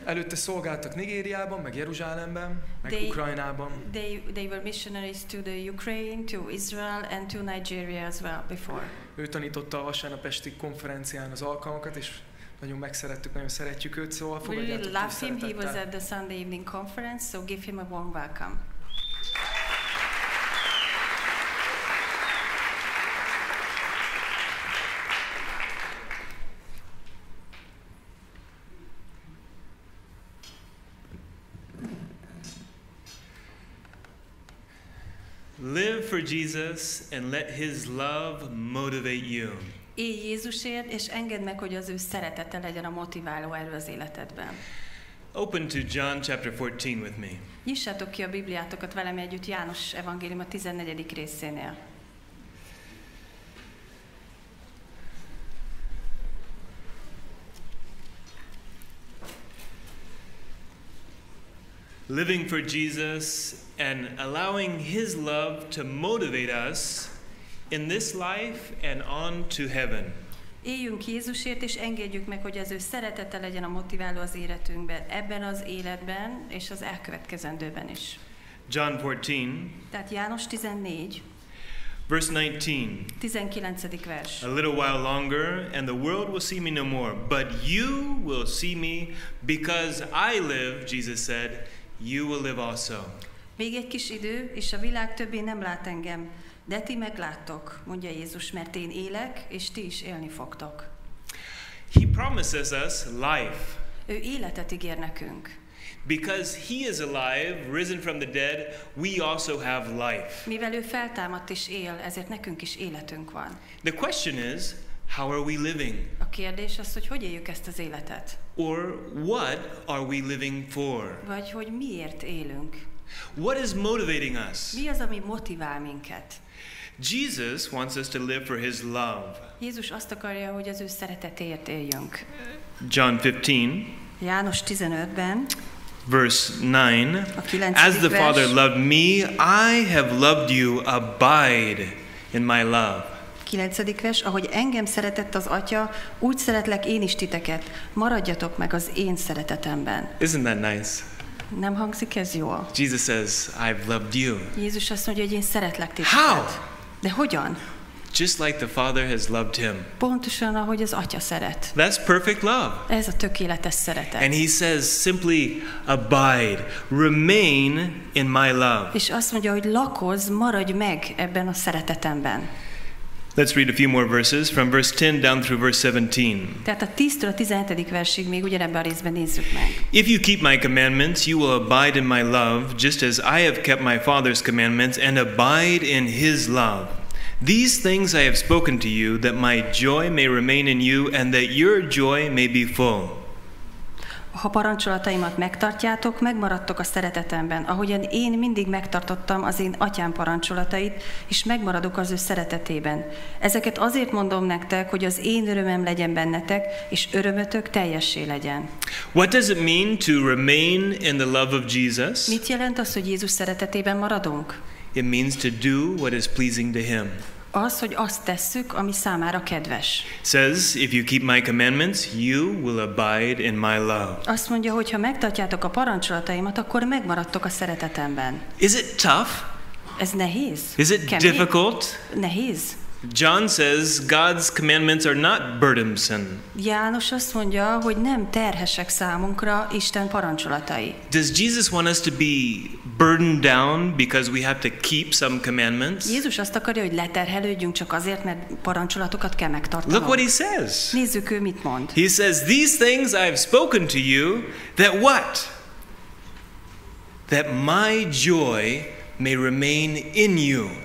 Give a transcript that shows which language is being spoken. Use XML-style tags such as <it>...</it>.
<hu>Előtte szolgáltak Nigériában, meg Jeruzsálemben, meg Ukrajnában.</hu> <en>They were missionaries to the Ukraine, to Israel, and to Nigeria as well before.</en> <hu>Ő tanította a vasárnap esti konferencián az alkalmakat, és nagyon megszerettük, nagyon szeretjük őt, szóval fogadjátok őt szeretettel.</hu> <en>We love him, he was at the Sunday evening conference, so give him a warm welcome. Live for Jesus and let his love motivate you.</en> <hu>Élj Jézusért, és engedd meg, hogy az ő szeretete legyen a motiváló erő az életedben.</hu> <en>Open to John chapter 14 with me.</en> <hu>Nyissátok ki a Bibliátokat velem együtt János evangélium a 14. részénél.</hu> <en>living for Jesus and allowing His love to motivate us in this life and on to heaven.</en> <hu>Éljünk Jézusért, és engedjük meg, hogy az ő szeretete legyen a motiváló az életünkben, ebben az életben, és az elkövetkezendőben is.</hu> <en>John 14.</en> <hu>Tehát János 14.</hu> <en>Verse 19.</en> <hu>19. vers.</hu> <en>A little while longer, and the world will see me no more, but you will see me, because I live, Jesus said, you will live also.</en> <hu>Még egy kis idő, és a világ többé nem lát engem. De ti megláttok, mondja Jézus, mert én élek, és ti is élni fogtok.</hu> <en>He promises us life.</en> <hu>Ő életet ígér nekünk.</hu> <en>Because he is alive, risen from the dead, we also have life.</en> <hu>Mivel ő feltámadt és él, ezért nekünk is életünk van.</hu> <en>The question is, how are we living?</en> <hu>A kérdés az, hogy hogyan éljük ezt az életet.</hu> <en>Or what are we living for?</en> <hu>Vagy hogy miért élünk?</hu> <en>What is motivating us?</en> <hu>Mi az, ami motivál minket?</hu> <en>Jesus wants us to live for his love.</en> <hu>Jézus azt akarja, hogy az ő szeretetéért éljünk.</hu> <en>John 15.</en> <hu>János 15-ben.</hu> <en>Verse 9. As the</en> <hu>vers,</hu> <en>Father loved me, I have loved you. Abide in my love.</en> <hu>9. vers, ahogy engem szeretett az Atya, úgy szeretlek én is titeket. Maradjatok meg az én szeretetemben.</hu> <en>Isn't that nice?</en> <hu>Nem hangzik ez jól?</hu> <en>Jesus says, I've loved you.</en> <hu>Jézus azt mondja, hogy én szeretlek titeket.</hu> <en>How?</en> <hu>De hogyan?</hu> <en>Just like the Father has loved him.</en> <hu>Pontosan, ahogy az Atya szeret.</hu> <en>That's perfect love.</en> <hu>Ez a tökéletes szeretet.</hu> <en>And he says simply, abide, remain in my love.</en> <hu>És azt mondja, hogy lakozz, maradj meg ebben a szeretetemben.</hu> <en>Let's read a few more verses from verse 10 down through verse 17.</en> <hu>Tehát a 10-től a 17. versig még ugyanebben a részben nézzük meg.</hu> <en>If you keep my commandments, you will abide in my love, just as I have kept my Father's commandments and abide in his love. These things I have spoken to you, that my joy may remain in you and that your joy may be full.</en> <hu>Ha parancsolataimat megtartjátok, megmaradtok a szeretetemben, ahogyan én mindig megtartottam az én Atyám parancsolatait, és megmaradok az ő szeretetében. Ezeket azért mondom nektek, hogy az én örömem legyen bennetek, és örömötök teljessé legyen.</hu> <en>What does it mean to remain in the love of Jesus?</en> <hu>Mit jelent az, hogy Jézus szeretetében maradunk?</hu> <en>It means to do what is pleasing to him.</en> <hu>Az, hogy azt tesszük, ami számára kedves.</hu> <en>Says, if you keep my commandments, you will abide in my love.</en> <hu>Azt mondja, hogy ha megtartjátok a parancsolataimat, akkor megmaradtok a szeretetemben.</hu> <en>Is it tough?</en> <hu>Ez nehéz?</hu> <en>Is it</en> <hu>kemény?</hu> <en>Difficult?</en> <hu>Nehéz.</hu> <en>John says, God's commandments are not burdensome.</en> <hu>János azt mondja, hogy nem terhesek számunkra Isten parancsolatai.</hu> <en>Does Jesus want us to be burdened down because we have to keep some commandments?</en> <hu>Jézus azt akarja, hogy leterhelődjünk csak azért, mert parancsolatokat kell megtartanunk.</hu> <en>Look what he says.</en> <hu>Nézzük, ő mit mond.</hu> <en>He says, these things I've spoken to you, that what? That my joy may remain in you.</en>